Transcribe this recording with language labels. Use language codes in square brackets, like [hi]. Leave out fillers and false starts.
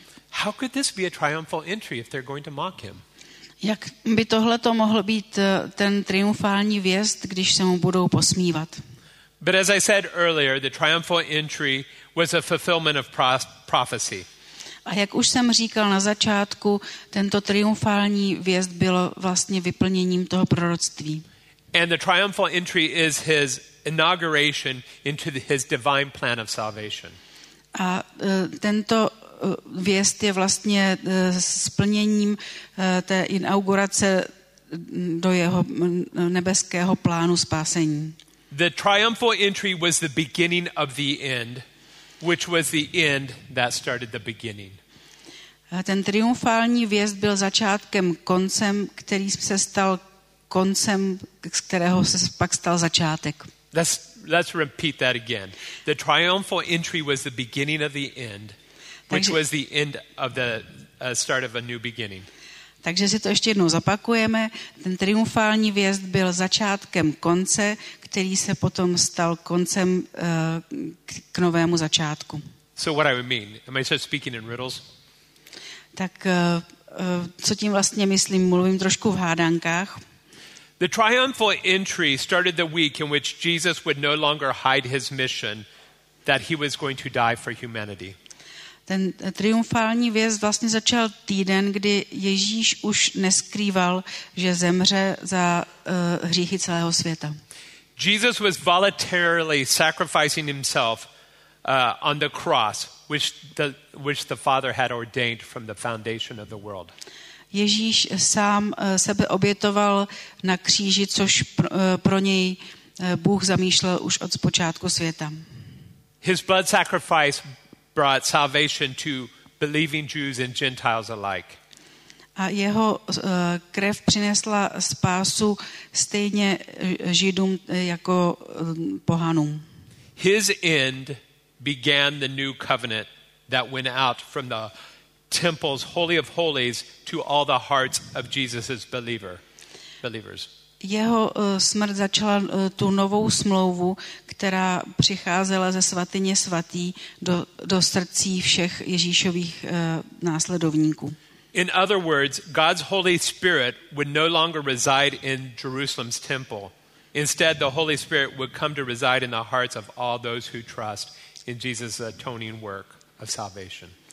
[en] How could this be a triumphal entry if they're going to mock him? [cs] Jak by tohle to mohlo být ten triumfální vjezd, když se mu budou posmívat? [en] But as I said earlier, the triumphal entry was a fulfillment of prophecy. [cs] A jak už jsem říkal na začátku, tento triumfální vjezd bylo vlastně vyplněním toho proroctví. [en] And the triumphal entry is his inauguration into his divine plan of salvation. [cs] A tento vjezd je vlastně splněním té inaugurace do jeho nebeského plánu spásení. [en] The triumphal entry was the beginning of the end, which was the end that started the beginning. [cs] Ten triumfální vjezd byl začátkem koncem, který se stal koncem, z kterého se pak stal začátek. [en] Let's repeat that again. The triumphal entry was the beginning of the end. Which was the end of the start of a new beginning. [cs] Takže si to ještě jednou zapakujeme. Ten triumfální vjezd byl začátkem konce, který se potom stal koncem k novému začátku. [en] So what I mean? Am I just speaking in riddles? [cs] Tak co tím vlastně myslím? Mluvím trošku v hádankách. [en] The triumphal entry started the week in which Jesus would no longer hide his mission, that he was going to die for humanity. [cs] Ten triumfální vjezd vlastně začal týden, kdy Ježíš už neskrýval, že zemře za hříchy celého světa. [en] Jesus was voluntarily sacrificing himself on the cross, which the Father had ordained from the foundation of the world. [cs] Ježíš sám sebe obětoval na kříži, což pro něj Bůh zamýšlel už od počátku světa. [en] His blood sacrifice brought salvation to believing Jews and Gentiles alike. [cs] A jeho krev přinesla spásu stejně Židům jako pohanům. [en] His end began the new covenant that went out from the temple's holy of holies to all the hearts of Jesus's believers. [cs] Jeho smrt začala tu novou smlouvu, která přicházela ze svatyně svatý do srdcí všech Ježíšových následovníků. [en] In other words, God's Holy Spirit would no longer reside in Jerusalem's temple. Instead, the Holy Spirit would come to reside in the hearts of all those who trust in Jesus' atoning work of salvation.